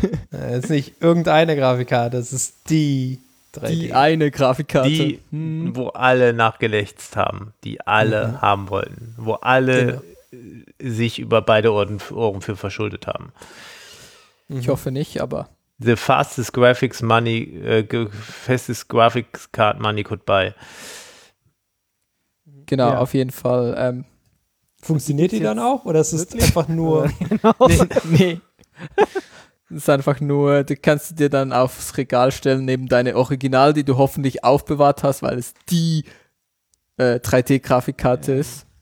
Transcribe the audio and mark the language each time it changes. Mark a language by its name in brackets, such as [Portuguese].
[German] Es ist nicht irgendeine Grafikkarte, es ist die 3D. Die eine Grafikkarte. Die, wo alle nachgelächzt haben, die alle haben wollten, wo alle sich über beide Ohren für verschuldet haben. Ich hoffe nicht, aber [English] the fastest graphics money, fastest graphics card money could buy. [German] Genau, ja. Auf jeden Fall. Funktioniert die dann auch? Oder ist es einfach nur? Nee. Es ist einfach nur, du kannst sie dir dann aufs Regal stellen, neben deine Original, die du hoffentlich aufbewahrt hast, weil es die 3D-Grafikkarte ist.